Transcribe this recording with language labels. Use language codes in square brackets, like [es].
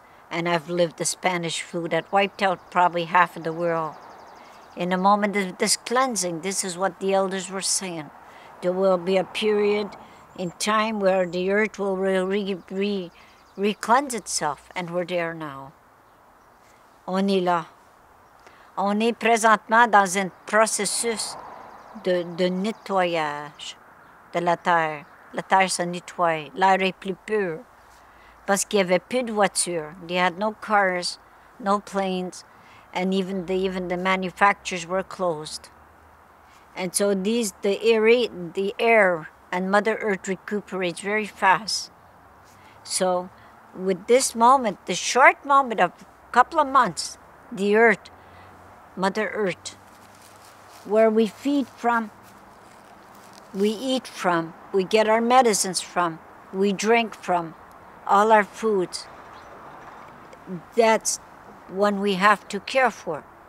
[en] And I've lived the Spanish flu that wiped out probably half of the world. In a moment of this cleansing, this is what the elders were saying. There will be a period in time where the earth will re-cleanse itself, and we're there now. [fr] On est là. On est présentement dans un processus de nettoyage de la terre. La terre se nettoie. L'air est plus pur. Parce qu'il y avait plus de voitures. [en] They had no cars, no planes, and even the manufacturers were closed. And so the air and Mother Earth recuperates very fast. So with this moment, the short moment of a couple of months, the Earth, Mother Earth, where we feed from, we eat from, we get our medicines from, we drink from, all our foods, that's one we have to care for.